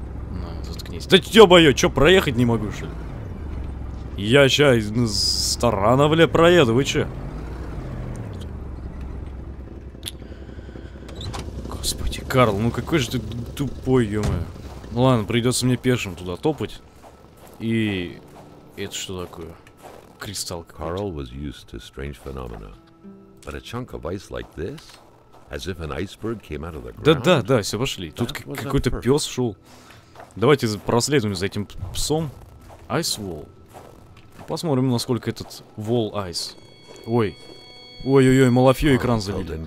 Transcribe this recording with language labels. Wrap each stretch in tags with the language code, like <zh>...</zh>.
<ru>На, заткнись. Да ё-моё, чё, проехать не могу, что ли? Я ща странно, бля, проеду, вы чё? Карл, ну какой же ты тупой, ё-моё. Ну ладно, придется мне пешим туда топать. И это что такое? Кристалл какой-то.</ru> <en>Карл was used to strange phenomena. But a chunk of ice like this, as if an iceberg came out of the ground.</en> <ru>Да, все пошли. Тут какой-то пес шел. Давайте проследуем за этим псом.</ru> <en>Ice wall.</en> <ru>Посмотрим, насколько этот wall ice. Ой. Ой-ой-ой, Малафьё экран залил.</ru>